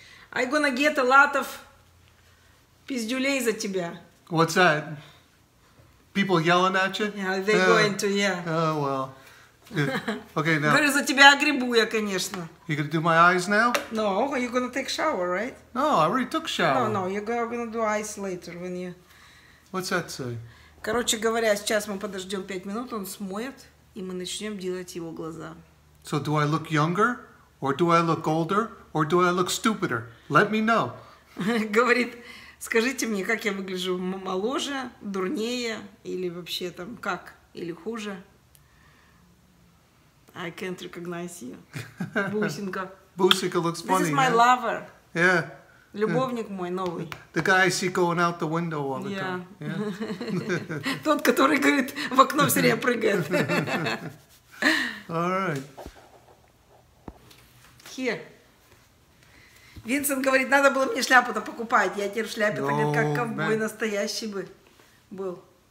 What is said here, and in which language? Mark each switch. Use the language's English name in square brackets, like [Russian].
[English] I gonna get a lot of [Russian] пиздюлей [English] за тебя. What's that? People yelling at you? Yeah, they going to, yeah. Oh, well. Okay, now. [Russian] Говорю, за тебя огребу я, конечно. [English] You gonna do my eyes now? No, you're gonna take shower, right? No, I already took shower. No, you're gonna do eyes later when you... What's that say? [Russian] Короче говоря, сейчас мы подождем 5 минут, он смоет, и мы начнем делать его глаза. [English] So do I look younger? Or do I look older? Or do I look stupider? Let me know. [Russian] Говорит, скажите мне, как я выгляжу, моложе, дурнее, или вообще там как, или хуже? [English] I can't recognize you. Бусинка. Бусинка looks funny. This is my lover. Yeah. [Russian] Любовник мой новый. [English] The guy I see going out the window all the time. Yeah. [Russian] Тот, который, говорит, в окно все время прыгает. [English] All right. Here. [Russian] Винсент говорит, надо было мне шляпу-то покупать. Я теперь в шляпе-то, говорит, как ковбой настоящий бы был.